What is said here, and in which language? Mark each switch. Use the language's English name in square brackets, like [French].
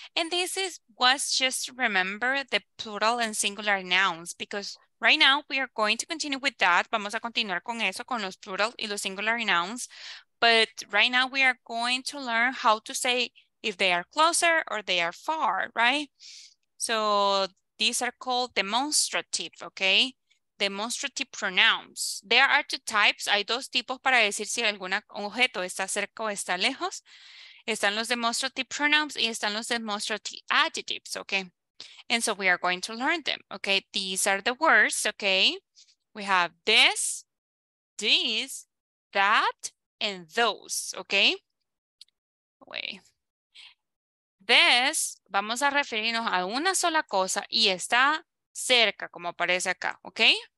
[English] And this is what's just remember the plural and singular nouns, because right now we are going to continue with that. [Spanish] Vamos a continuar con eso, con los plural y los singular nouns. [English] But right now we are going to learn how to say if they are closer or they are far, right? So these are called demonstrative, okay? Demonstrative pronouns. There are two types. [Spanish] Hay dos tipos para decir si algún objeto está cerca o está lejos. Están los demonstrative pronouns y están los demonstrative adjectives, okay? [English] And so we are going to learn them, okay? These are the words, okay? We have this, these, that, and those, okay? [Spanish] Okay. This, vamos a referirnos a una sola cosa y está cerca, como aparece acá, okay?